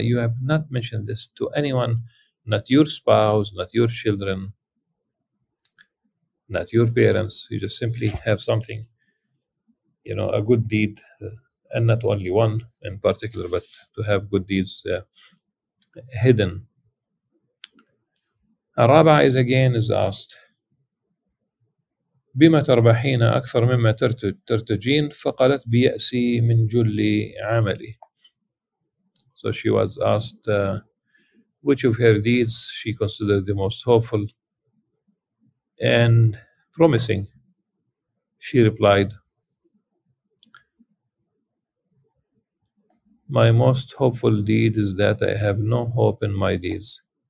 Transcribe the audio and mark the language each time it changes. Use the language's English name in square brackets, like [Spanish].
[English] You have not mentioned this to anyone, not your spouse, not your children, not your parents. You just simply have something, you know, a good deed, and not only one in particular, but to have good deeds hidden. Rabah is again is asked, [Arabic] بما تربحين أكثر مما ترتجين فقالت بيأسي من جل عملي. [English] So she was asked which of her deeds she considered the most hopeful and promising. She replied, my most hopeful deed is that I have no hope in my deeds.